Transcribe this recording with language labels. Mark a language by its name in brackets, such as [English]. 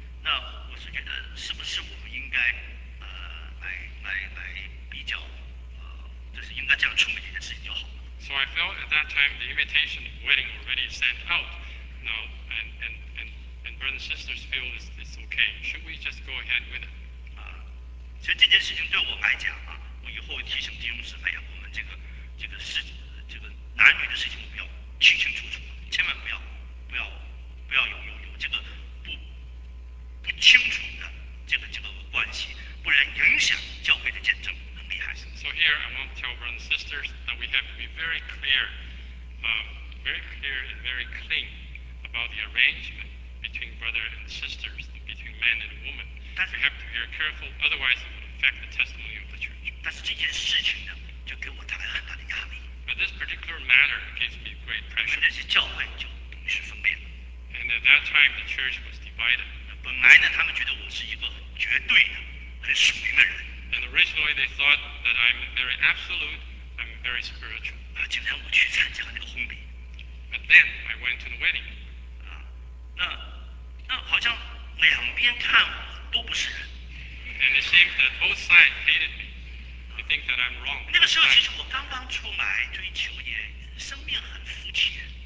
[Chinese] 那我是觉得是不是我们应该来比较？ [English] So I felt at that time the invitation of wedding already sent out. Now, and brothers and sisters feel it's okay. Should we just go ahead with it? [Chinese] 所以这件事情对我来讲啊，我以后提醒弟兄姊妹啊，我们这个事，这个男女的事情，我们要清清楚楚，千万不要有这个不清楚的这个关系，不然影响教会的见证。 [English] So here I want to tell brothers and sisters that we have to be very clear and very clean about the arrangement between brother and sisters, between man and woman. We have to be very careful, otherwise it will affect the testimony of the church. [Chinese] 但是这件事情呢，就给我带来很大的压力。 [English] But this particular matter gives me great pressure. [Chinese] 那些教会就同时分裂了。 [English] And at that time the church was divided. [Chinese] 本来呢，他们觉得我是一个绝对的、很属灵的人。 [English] And originally they thought that I'm very absolute, I'm very spiritual. [Chinese] 今天我去参加那个婚礼。 [English] But then I went to the wedding. [Chinese] 那好像两边看我都不是人。 [English] And it seems that both sides hated me. They think that I'm wrong. [Chinese] 那个时候其实我刚刚出来追求也生命很肤浅。